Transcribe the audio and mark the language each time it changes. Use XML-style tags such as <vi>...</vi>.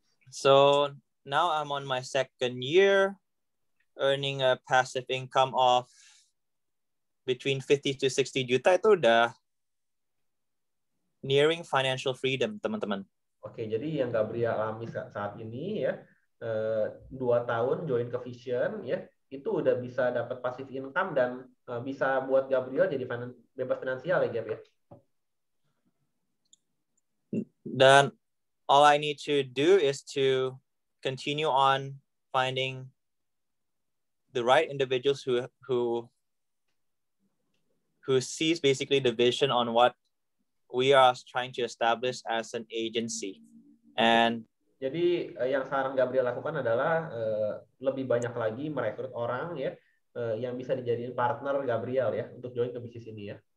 <en>So now I'm on my second year earning a passive income of between 50 to 60</en> <id>juta itu udah</id> <en>nearing financial freedom,</en> <id>teman-teman. Oke, okay, jadi yang Gabriel alami saat ini ya 2 tahun join ke Vision ya, itu udah bisa dapat passive income dan bisa buat Gabriel jadi bebas finansial ya, Gab, ya. Dan</id> <en>all I need to do is to continue on finding the right individuals who sees basically the vision on what we are trying to establish as an agency. And</en> <id>jadi yang sekarang Gabriel lakukan adalah lebih banyak lagi merekrut orang ya yang bisa dijadiin partner Gabriel ya untuk join ke bisnis ini ya.</id>